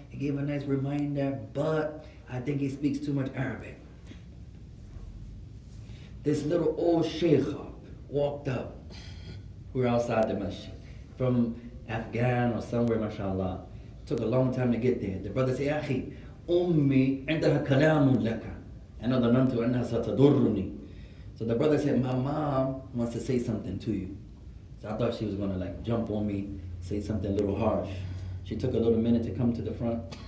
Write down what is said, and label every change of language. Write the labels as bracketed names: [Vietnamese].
[English] He gave a nice reminder, but I think he speaks too much Arabic. This little old sheikh walked up. We were outside the masjid. From Afghan or somewhere, Mashallah. It took a long time to get there. The brother said, Akhi, [Arabic] أمي عندها كلام لك. أنا ظننت أنها ستضرني. [English] So the brother said, my mom wants to say something to you. So I thought she was gonna like jump on me, say something a little harsh. She took a little minute to come to the front.